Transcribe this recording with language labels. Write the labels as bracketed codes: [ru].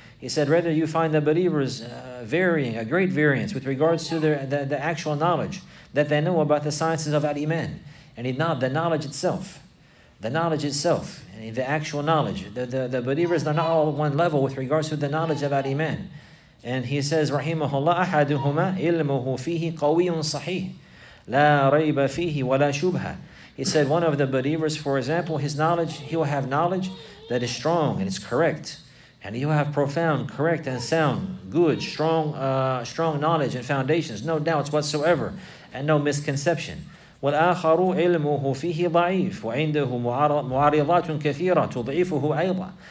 [en] He said, rather you find the believers varying, a great variance with regards to the actual knowledge that they know about the sciences of al-Iman. And the knowledge itself. The knowledge itself, the actual knowledge. The believers are not all one level with regards to the knowledge of al-Iman. And he says, [ar] رَحِيمَهُ أَحَدُهُمَا إِلْمُهُ فِيهِ قَوِيٌّ صَحِيٌّ لَا رَيْبَ فِيهِ وَلَا شُبْهَ. [en] He said, one of the believers, for example, his knowledge, he will have knowledge that is strong and it's correct. And he will have profound, correct and sound, good, strong knowledge and foundations, no doubts whatsoever, and no misconception. [ar] وَالْآخَرُ عِلْمُهُ فِيهِ ضَعِيفٌ وَعِنْدَهُ مُعَارِضَاتٌ كَثِيرَةٌ تُضْعِفُهُ أَيْضًا.